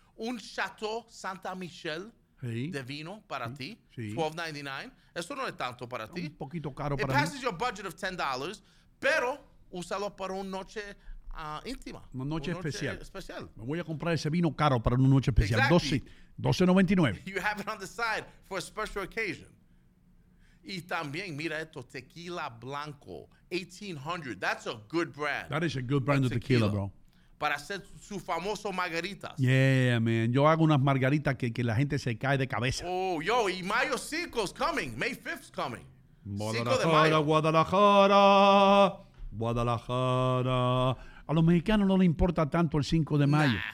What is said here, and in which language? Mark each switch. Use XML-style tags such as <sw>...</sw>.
<es>Un Chateau Santa Michelle sí. de vino para sí. ti. Sí. $12.99. Eso no es tanto para ti. Un poquito caro</es> <en>It</en> <es>para ti.</es> <en>It passes your budget of $10,</en> <es>pero úsalo para una noche íntima. Una noche especial. Especial. Me voy a comprar ese vino caro para una noche especial.</es> <en>Exactly. $12.99. You have it on the side for a special occasion.</en> <es>Y también, mira esto, Tequila Blanco, $1,800.</es> <en>That's a good brand. That is a good brand of tequila, bro.</en> <es>Para hacer su famoso margaritas.</es> <en>Yeah, man.</en> <es>Yo hago unas margaritas que la gente se cae de cabeza.</es> <en>Oh, yo, y Mayo 5 is coming. May 5 is coming. 5 de Mayo.</en> <es>Guadalajara. A los mexicanos no les importa tanto el 5 de Mayo.</es>